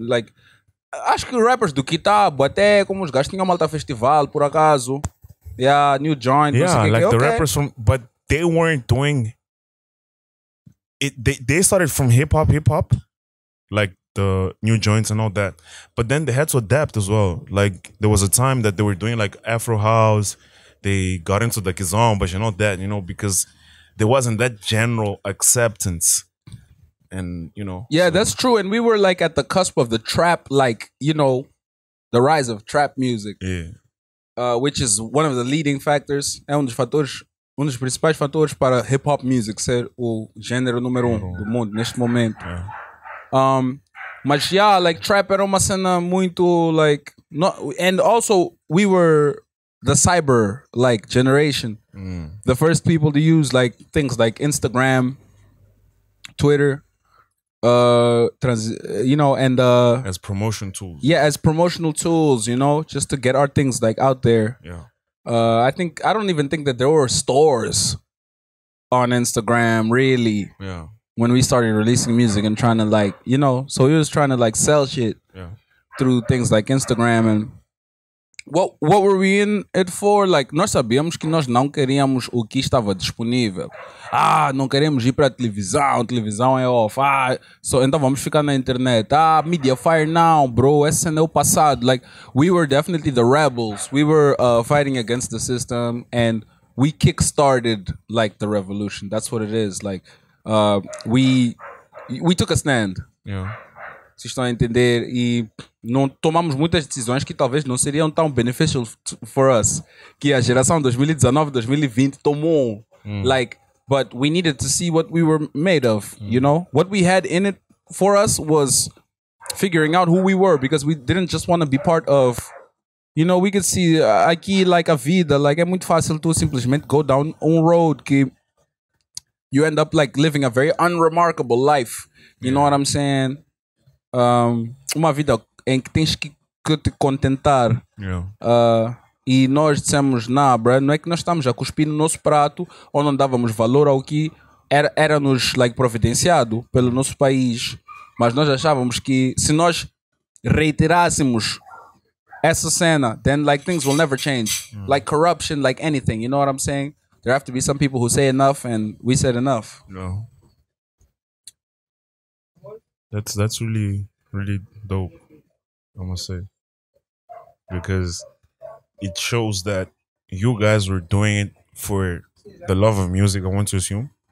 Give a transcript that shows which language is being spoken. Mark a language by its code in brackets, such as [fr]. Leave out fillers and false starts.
[pt] Like, acho que rappers do Kitabo, até como os gajos tinham malta festival, por acaso. [en] Yeah, New Joint. Yeah, like the rappers from, but they weren't doing it. They started from hip hop, like the New Joints and all that. But then they had to adapt as well. Like, there was a time that they were doing like Afro House. They got into the Kizomba, but you know that, you know, because there wasn't that general acceptance, and you know. Yeah, so. That's true. And we were like at the cusp of the trap, like, you know, the rise of trap music. Yeah. Which is one of the leading factors. [pt] É um dos principais fatores para hip hop music ser o gênero número um do mundo neste momento. [en] Yeah. [pt] Mas [en] yeah, like trap [pt] era uma cena muito [en] like not, and also we were the cyber like generation. Mm. The first people to use like things like Instagram, Twitter, as promotion tools. Yeah, as promotional tools, you know, just to get our things like out there. Yeah. I don't even think that there were stores on Instagram really. Yeah. When we started releasing music and trying to like, you know, so we was trying to like sell shit. Yeah. Through things like Instagram and What were we in it for? [pt] Like, nós sabíamos que nós não queríamos o que estava disponível. Ah, não queremos ir para a televisão. A televisão é off. Ah, so, então vamos ficar na internet. [en] Ah, media fire now, bro. [pt] Esse é o passado. [en] Like, we were definitely the rebels. We were fighting against the system. And we kickstarted, like, the revolution. That's what it is. Like, we took a stand. Yeah. [pt] Se estão a entender, e não tomamos muitas decisões que talvez não seriam tão [en] beneficial for us, [pt] que a geração 2019-2020 tomou. Mm. [en] Like, but we needed to see what we were made of, you know? What we had in it for us was figuring out who we were, because we didn't just want to be part of, you know, we could see aqui, like, [pt] a vida, [en] like, [pt] é muito fácil [en] to [pt] simplesmente [en] go down on road que you end up, like, living a very unremarkable life, you know what I'm saying? [pt] Uma vida em que tens que te contentar. [en] Yeah. [pt] E nós dissemos, nah, bro, não é que nós estamos a cuspir no nosso prato ou não dávamos valor ao que era-nos like, providenciado pelo nosso país, mas nós achávamos que se nós reiterássemos essa cena, [en] then like things will never change. Mm. Like corruption, like anything, you know what I'm saying? There have to be some people who say enough and we said enough. No. That's really, really dope, I must say. Because it shows that you guys were doing it for the love of music, I want to assume.